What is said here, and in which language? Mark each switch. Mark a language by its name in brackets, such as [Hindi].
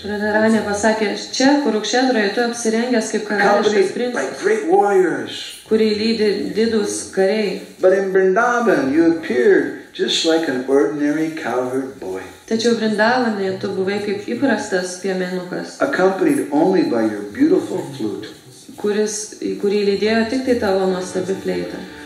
[Lithuanian] Radharani pasakė, čia Kurukshetroje tu apsirengęs kaip karališkas princas. [English] Like great warriors. [Lithuanian] Kurį lydi didus kariai. [English] But in Vrindavan, you appeared just like an ordinary cowherd boy. [Lithuanian] Tačiau Vrindavane tu buvai kaip įprastas piemenukas. [English] Accompanied only by your beautiful flute. [Lithuanian] Kurį lydėjo tik tai tavo nuostabi fleita.